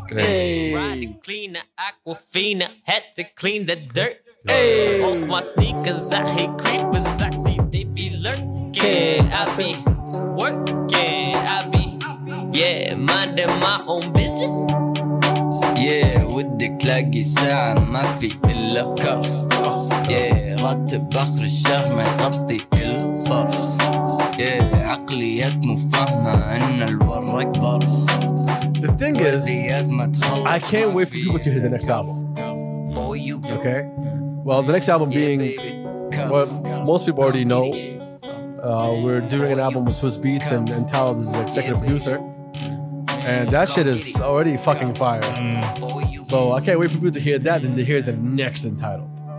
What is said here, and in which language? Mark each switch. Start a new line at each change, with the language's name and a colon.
English: Riding clean, Aquafina. Had to clean the dirt. Hey. Off my sneakers, I hate creepers. I see they be lurking. I be working. I be minding my own business.
Arabic: Yeah, ودك لاقي ساعة ما في إلا كف. Yeah, راتب آخر الشهر ما يغطي الصرف. Yeah, عقليات مو فاهمة إن الورق ظرف.
English: The thing is, I can't wait for people to hear the next album. For you. Okay. Well, the next album being, well, most people already know, we're doing an album with Swiss Beats and Talat is the executive producer. And that shit is already fucking fire. So I can't wait for people to hear that and to hear the next entitled.